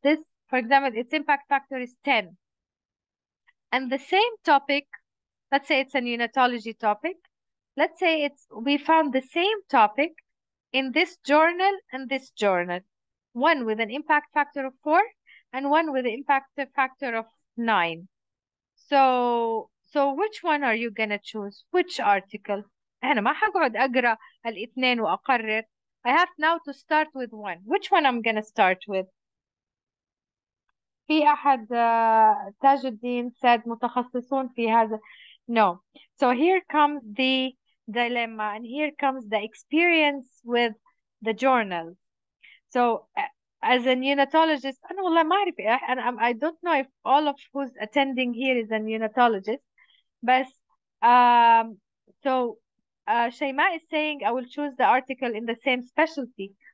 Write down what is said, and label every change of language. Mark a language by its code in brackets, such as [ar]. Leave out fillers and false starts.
[en] This, for example, its impact factor is 10. And the same topic, let's say it's a neonatology topic, let's say it's we found the same topic in this journal and this journal, one with an impact factor of 4 and one with an impact factor of 9. So which one are you gonna choose? Which article? [ar] أنا ما حقعد أقرأ الاثنين وأقرر. [en] I have now to start with one. Which one I'm gonna start with? [ar] في أحد تاج الدين said متخصصون في هذا. [en] No. So here comes the dilemma and here comes the experience with the journal. So as a neonatologist, [ar] أنا والله ما أعرف, أنا [en] I don't know if all of who's attending here is a neonatologist, بس so Shaima is saying I will choose the article in the same specialty.